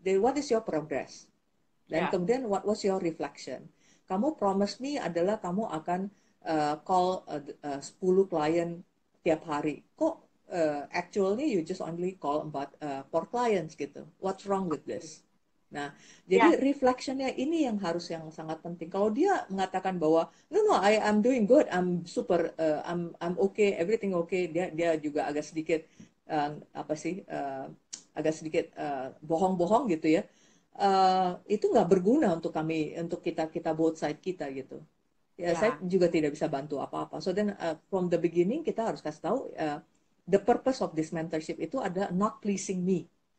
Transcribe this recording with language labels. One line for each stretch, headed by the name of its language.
English: Dari what is your progress? Dan kemudian what was your reflection?
Indonesian: Kamu promise me adalah kamu akan call 10 klien tiap hari.
English: Kok actually you just only call about 4 clients gitu. What's wrong with this?
Indonesian: Nah, jadi reflection-nya ini yang harus yang sangat penting. Kalau dia mengatakan bahwa
English: no, I am doing good, I'm super, I'm okay, everything okay.
Indonesian: Dia dia juga agak sedikit apa sih? Agak sedikit bohong-bohong gitu ya. Itu nggak berguna untuk kami, untuk kita kita both side kita gitu. Ya, saya juga tidak bisa bantu apa-apa.
English: So then from the beginning
Indonesian: kita harus kasih tahu
English: the purpose of this mentorship
Indonesian: itu ada
English: not pleasing me.